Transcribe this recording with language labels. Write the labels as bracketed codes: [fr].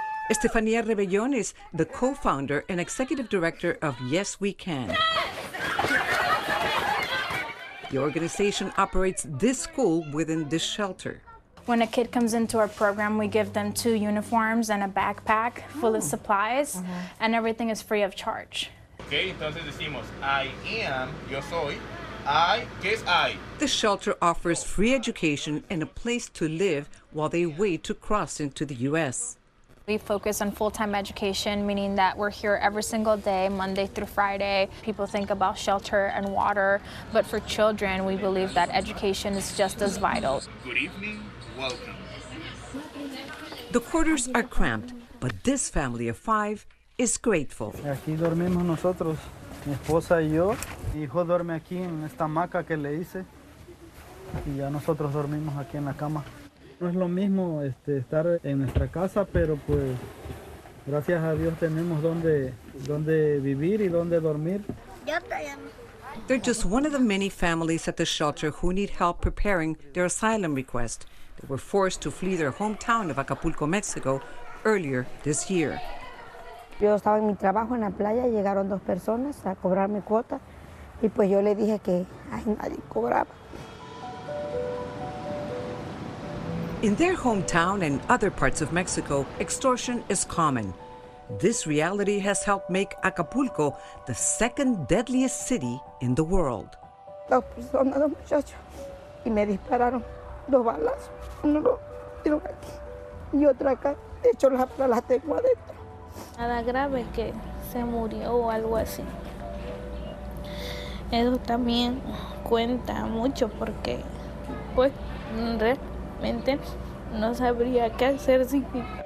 [en] Estefania Rebellion is the co-founder and executive director of Yes We Can. The organization operates this school within this shelter. When a kid comes into our program, we give them two uniforms and a backpack full of supplies, and everything is free of charge. [es] Okay, entonces decimos, [en] I am, [es] yo soy, ¿qué es I? [en] The shelter offers free education and a place to live while they wait to cross into the U.S. We focus on full-time education, meaning that we're here every single day, Monday through Friday. People think about shelter and water, but for children, we believe that education is just as vital. Good evening. Welcome. The quarters are cramped, but this family of five is grateful. [es] Aquí dormimos nosotros, mi esposa y yo. Mi hijo duerme aquí en esta hamaca que le hice. Y ya nosotros dormimos aquí en la cama. No es lo mismo estar en nuestra casa, pero pues gracias a Dios tenemos donde vivir y donde dormir. [en] They're just one of the many families at the shelter who need help preparing their asylum request. They were forced to flee their hometown of Acapulco, Mexico, earlier this year. [es] Yo estaba en mi trabajo en la playa, llegaron dos personas a cobrar mi cuota, y pues yo le dije que ay, nadie cobraba. [en] In their hometown and other parts of Mexico, extortion is common. This reality has helped make Acapulco the second deadliest city in the world. [es] Dos personas, dos muchachos, y me dispararon. Dos balas, uno lo tiró aquí y otro acá. De hecho, las tengo adentro. Nada grave que se murió o algo así. Eso también cuenta mucho porque, pues, realmente no sabría qué hacer sin mí.